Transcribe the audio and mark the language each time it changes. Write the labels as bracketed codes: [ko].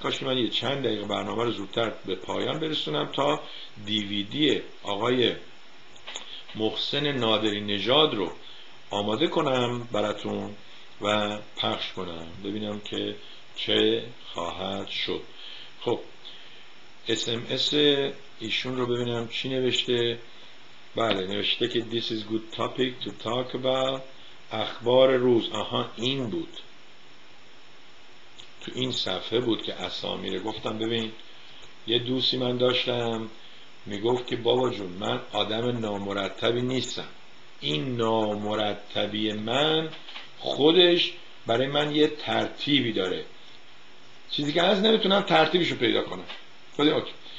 [fa] کاش من یه چند دقیقه برنامه رو زودتر به پایان برسونم تا DVD آقای محسن نادری نژاد رو آماده کنم براتون و پخش کنم، ببینم که چه خواهد شد. خب SMS ایشون رو ببینم چی نوشته. بله نوشته که [en] This is good topic to talk about. [fa] اخبار روز، آها این بود، تو این صفحه بود که اسامی رو گفتم. ببین یه دوستی من داشتم میگفت که بابا جون من آدم نامرتبی نیستم، این نامرتبی من خودش برای من یه ترتیبی داره، چیزی که از نمیتونم ترتیبشو پیدا کنم. خدای اوکی.